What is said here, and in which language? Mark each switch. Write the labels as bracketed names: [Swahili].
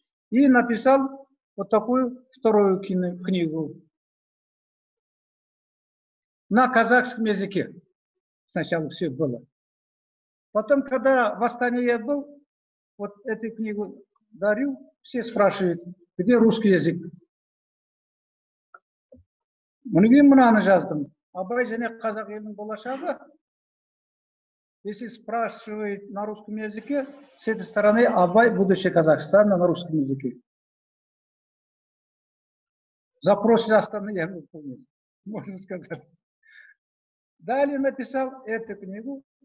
[Russian] И написал вот такую вторую книгу на казахском языке. Сначала все было. Потом, когда в Астане я был, вот эту книгу дарю, все спрашивают, где русский язык? Многие [Kazakh] мынаны жаздым. Абай және қазақ елінің болашағы. [Russian] Если спрашивают на русском языке, с этой стороны Абай будущее Казахстана на русском языке. Запрос из Астаны я выполнил, можно сказать. Далее написал эту книгу.